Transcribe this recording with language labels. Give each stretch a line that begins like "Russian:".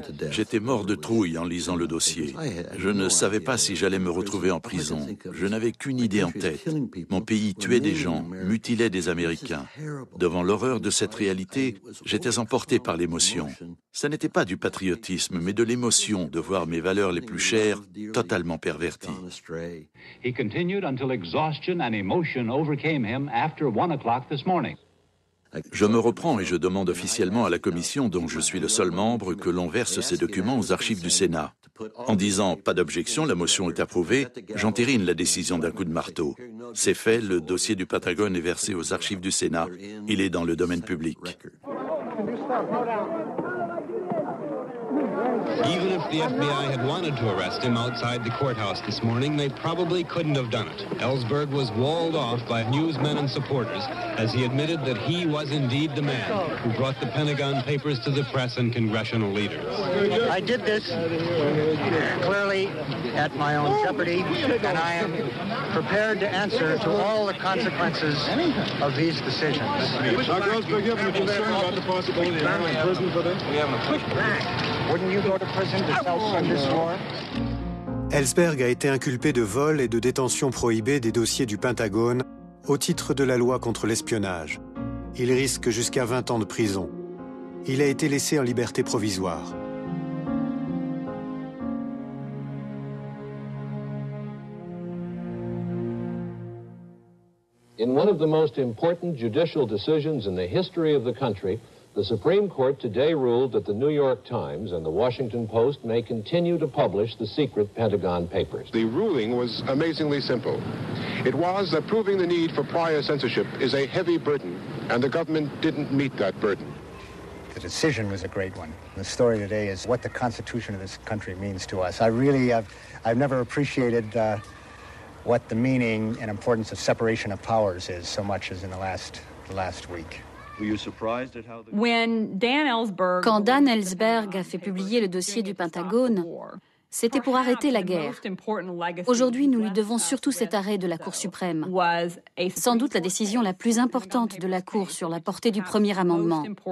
French: J'étais mort de trouille en lisant le dossier. Je ne savais pas si j'allais me retrouver en prison. Je n'avais qu'une idée en tête. Mon pays tuait des gens, mutilait des Américains. Devant l'horreur de cette réalité, j'étais emporté par l'émotion. Ça n'était pas du patriotisme, mais de l'émotion de voir mes valeurs les plus chères totalement perverties.
English: He continued until exhaustion and emotion overcame him after 1 o'clock this morning.
French: Je me reprends et je demande officiellement à la commission dont je suis le seul membre que l'on verse ces documents aux archives du Sénat. En disant « pas d'objection, la motion est approuvée », j'entérine la décision d'un coup de marteau. C'est fait, le dossier du Pentagone est versé aux archives du Sénat. Il est dans le domaine public.
English: Even if the FBI had wanted to arrest him outside the courthouse this morning, they probably couldn't have done it. Ellsberg was walled off by newsmen and supporters as he admitted that he was indeed the man who brought the Pentagon Papers to the press and congressional leaders. I did this clearly at my own jeopardy, and I am prepared to answer to all the consequences of these decisions. Dr. Ellsberg, you have any concern about the possibility of going to prison for this? We have a pushback.
French: Ellsberg a été inculpé de vol et de détention prohibée des dossiers du Pentagone au titre de la loi contre l'espionnage. Il risque jusqu'à 20 ans de prison. Il a été laissé en liberté provisoire.
English: In one of the most important judicial decisions in the history of the country, the Supreme Court today ruled that the New York Times and the Washington Post may continue to publish the secret Pentagon Papers. The ruling was amazingly simple. It was that proving the need for prior censorship is a heavy burden, and the government didn't meet that burden. The decision was a great one. The story today is what the Constitution of this country means to us. I've never appreciated what the meaning and importance of separation of powers is so much as in the last week.
French: Quand Dan Ellsberg a fait publier le dossier du Pentagone, c'était pour arrêter la guerre. Aujourd'hui, nous lui devons surtout cet arrêt de la Cour suprême. Sans doute la décision la plus importante de la Cour sur la portée du Premier Amendement.